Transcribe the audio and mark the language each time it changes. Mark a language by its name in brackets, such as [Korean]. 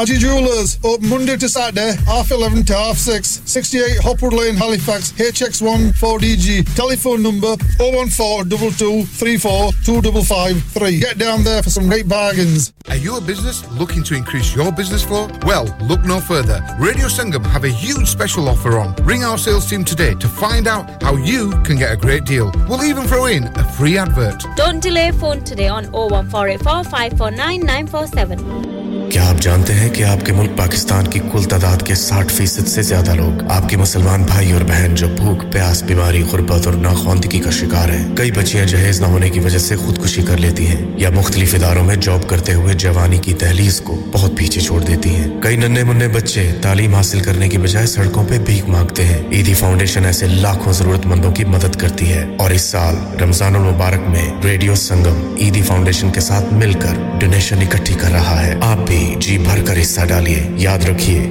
[English] Haji jewellers open Monday to Saturday half 11 to half 6 68 Hopwood Lane Halifax HX1 4DG telephone number 01422342553 get down there for some great bargains are you a business looking to increase your business flow well Look no further. Radio Sangam have a huge special offer on. Ring our sales team today to find out how you can get a great deal. We'll even throw in a free advert. Don't delay phone today on 01484549947. [Urdu] کیا آپ جانتے ہیں کہ آپ کے ملک پاکستان کی کل تعداد کے 60% سے زیادہ لوگ آپ کے مسلمان بھائی اور بہن جو بھوک پیاس بیماری غربت اور ناخواندگی کا شکار ہیں کئی بچیاں جہیز نہ ہونے کی وجہ سے خودکشی کر لیتی ہیں یا مختلف اداروں میں جاب کرتے ہوئے جوانی کی دہلیز کو بہت پیچھے چھوڑ دیتی ہیں کئی ننھے منھے بچے تعلیم حاصل کرنے کی بجائے سڑکوں پہ بھیک مانگتے ہیں عیدی فاؤنڈیشن ایسے لاکھوں ضرورت مندوں کی مدد کرتی ہے اور اس سال رمضان المبارک میں ریڈیو سنگم عیدی فاؤنڈیشن کے ساتھ مل کر ڈونیشن اکٹھی کر رہا ہے آپ بھی جی بھر کر حصہ ڈالیے یاد رکھیے